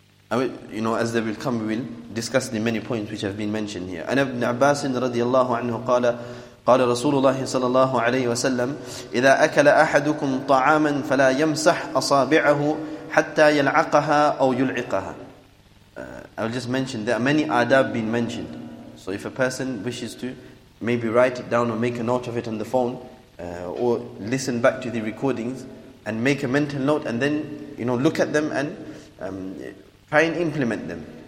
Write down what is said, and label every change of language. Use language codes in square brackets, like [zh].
[en] As they will come, we will discuss the many points which have been mentioned here. [ar] أنا ابن عباس رضي الله عنه قال, قال رسول الله صلى الله عليه وسلم إذا أكل أحدكم طعاما فلا يمسح أصابعه حتى يلعقها أو يلعقها. [en] I will just mention, there are many adab being mentioned. So if a person wishes to maybe write it down or make a note of it on the phone or listen back to the recordings and make a mental note and then look at them and try and implement them.